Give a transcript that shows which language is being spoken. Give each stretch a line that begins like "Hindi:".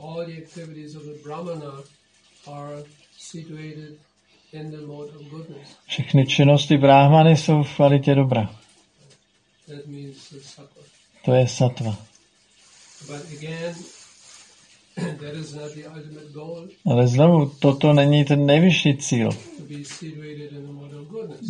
English: all the activities of the Brahmana are situated in the mode of goodness.
Czech: Všechny činnosti Brahmany jsou v kvalitě dobra.
English: That means sattva.
Czech: To je sattva.
English: But again, that is not the ultimate goal.
Czech: Ale znovu, toto není ten nejvyšší cíl.
English: To be situated in the mode of goodness.